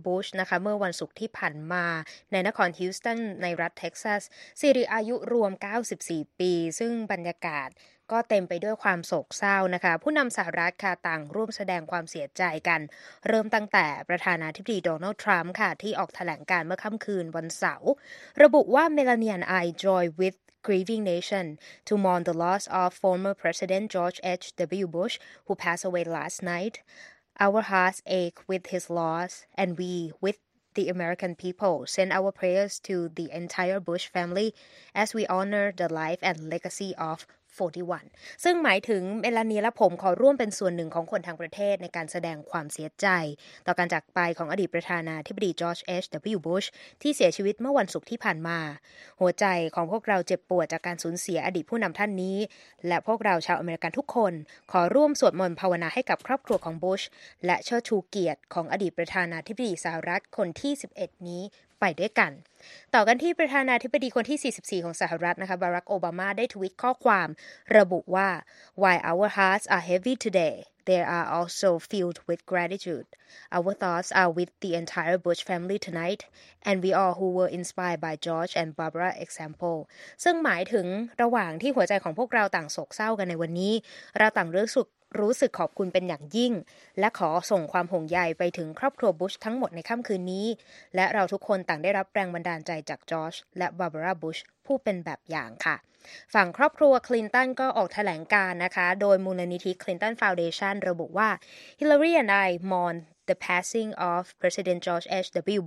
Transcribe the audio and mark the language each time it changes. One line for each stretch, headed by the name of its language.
Thai: บุชนะคะเมื่อวันศุกร์ที่ผ่านมาในนครฮิวสตันในรัฐเท็กซัสสิริอายุรวม94ปีซึ่งบรรยากาศก็เต็มไปด้วยความโศกเศร้านะคะผู้นำสหรัฐค่ะต่างร่วมแสดงความเสียใจกันเริ่มตั้งแต่ประธานาธิบดีโดนัลด์ทรัมป์ค่ะที่ออกแถลงการเมื่อค่ำคืนวันเสาร์ระบุว่าเมลานีและไอจอยวิท
English: Grieving nation to mourn the loss of former President George H.W. Bush, who passed away last night. Our hearts ache with his loss, and we, with the American people, send our prayers to the entire Bush family as we honor the life and legacy of 41.
Thai: ซึ่งหมายถึงเมลานีและผมขอร่วมเป็นส่วนหนึ่งของคนทั้งประเทศในการแสดงความเสียใจต่อการจากไปของอดีตประธานาธิบดี George H.W. Bush ที่เสียชีวิตเมื่อวันศุกร์ที่ผ่านมาหัวใจของพวกเราเจ็บปวดจากการสูญเสียอดีตผู้นำท่านนี้และพวกเราชาวอเมริกันทุกคนขอร่วมสวดมนต์ภาวนาให้กับครอบครัวของ Bush และเชิดชูเกียรติของอดีตประธานาธิบดีสหรัฐคนที่11นี้ไปด้วยกันต่อกันที่ประธานาธิบดีคนที่44ของสหรัฐนะคะบารักโอบามาได้ทวีตข้อความระบุว่า
English: While our hearts are heavy today, they are also filled with gratitude. Our thoughts are with the entire Bush family tonight, and we all who were inspired by George and Barbara example.
Thai: ซึ่งหมายถึงระหว่างที่หัวใจของพวกเราต่างโศกเศร้ากันในวันนี้เราต่างรู้สึกขอบคุณเป็นอย่างยิ่งและขอส่งความห่วงใยไปถึงครอบครัวบุชทั้งหมดในค่ำคืนนี้และเราทุกคนต่างได้รับแรงบันดาลใจจากจอร์จและบาร์บาร่าบุชผู้เป็นแบบอย่างค่ะฝั่งครอบครัวคลินตันก็ออกแถลงการนะคะโดยมูลนิธิคลินตันฟาวเดชั่นระบุว่า
English: Hillary and I mourn the passing of President George H.W.